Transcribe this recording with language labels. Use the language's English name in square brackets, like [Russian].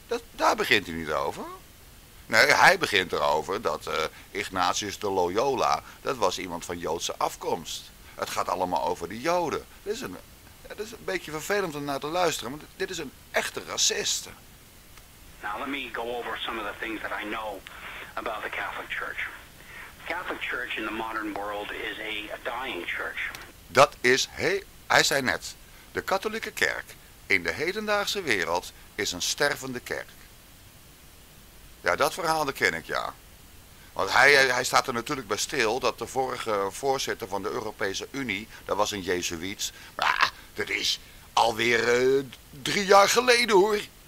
[Dutch] Daar begint hij niet over. Nee, hij begint erover dat Ignatius de Loyola, dat was iemand van Joodse afkomst. Het gaat allemaal over de Joden. Dit is een beetje vervelend om naar te luisteren, want dit is een echte racist. [English] Now let me go over some of the things that I know about the Catholic Church. The Catholic Church in the modern world is a dying church. [Dutch] Dat is, hij zei net, de katholieke kerk in de hedendaagse wereld is een stervende kerk. Ja, dat verhaal ken ik, ja. Want hij staat er natuurlijk bij stil dat de vorige voorzitter van de Europese Unie, dat was een jezuïet, maar dat is alweer 3 jaar geleden, hoor.